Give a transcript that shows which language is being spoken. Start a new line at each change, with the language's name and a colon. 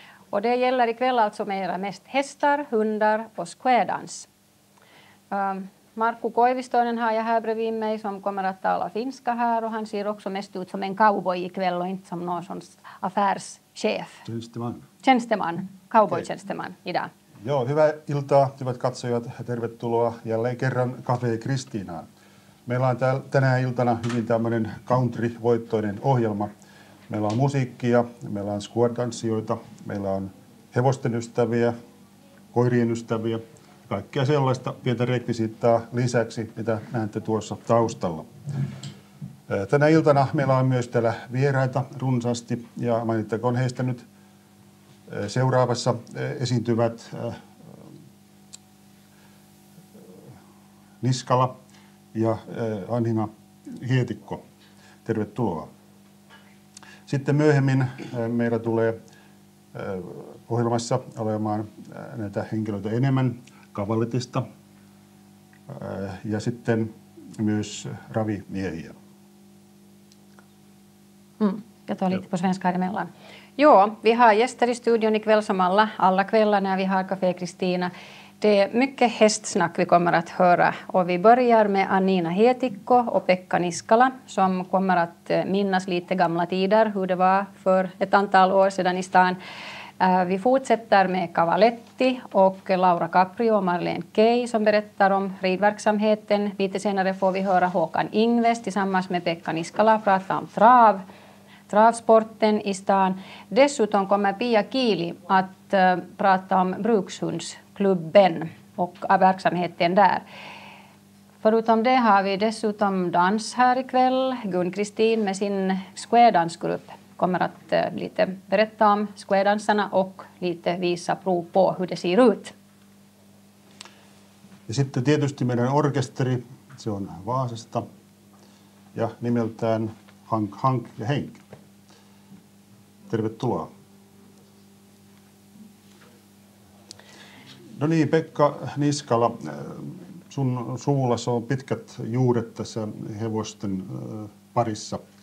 Swedish: Och det gäller ikväll alltså mera mest hästar, hundar och square dance. Markku Koivistoinen har jag här bredvid mig som kommer att tala finska här, och han ser också mest ut som en cowboy ikväll och inte som någon sån affärschef. Tjänsteman. Tjänsteman, cowboy-tjänsteman idag.
Finnish: Joo, hyvää iltaa, hyvät katsojat, tervetuloa jälleen kerran Café Kristiinaan. Meillä on tänä iltana hyvin tämmöinen country-voittoinen ohjelma. Meillä on musiikkia, meillä on squaredanssijoita, meillä on hevosten ystäviä, koirien ystäviä. Kaikkea sellaista pientä rekvisiittaa lisäksi, mitä näette tuossa taustalla. Tänä iltana meillä on myös täällä vieraita runsaasti, ja mainittakoon heistä nyt seuraavassa esiintyvät Niskala ja Anhina Hietikko. Tervetuloa. Sitten myöhemmin meillä tulee ohjelmassa olemaan näitä henkilöitä enemmän, Kavalletista ja sitten myös ravimiehiä.
Swedish: Ja tuo lite på svenska här emellan. Joo, vi har gäster i studion ikväll som alla kvällar när vi har Café Kristina. Det är mycket hästsnack vi kommer att höra. Och vi börjar med Anhina Hietikko och Pekka Niskala som kommer att minnas lite gamla tider, hur det var för ett antal år sedan i stan. Vi fortsätter med Cavaletti och Laura Caprio och Marlene Kay som berättar om ridverksamheten. Lite senare får vi höra Håkan Ingves tillsammans med Pekka Niskala prata om travsporten i stan. Dessutom kommer Pia Kiili att prata om brukshundsklubben och verksamheten där. Förutom det har vi dessutom dans här ikväll. Gun-Kristin med sin squaredansgrupp kommer att lite berätta om squaredansarna och lite visa prov på hur det ser ut.
Finnish: Ja sitten tietysti meidän orkesteri, se on Vaasasta. ja nimeltään Hank ja Henk. Tervetuloa. No niin, Pekka Niskala, sun suvullasi on pitkät juuret tässä hevosten parissa.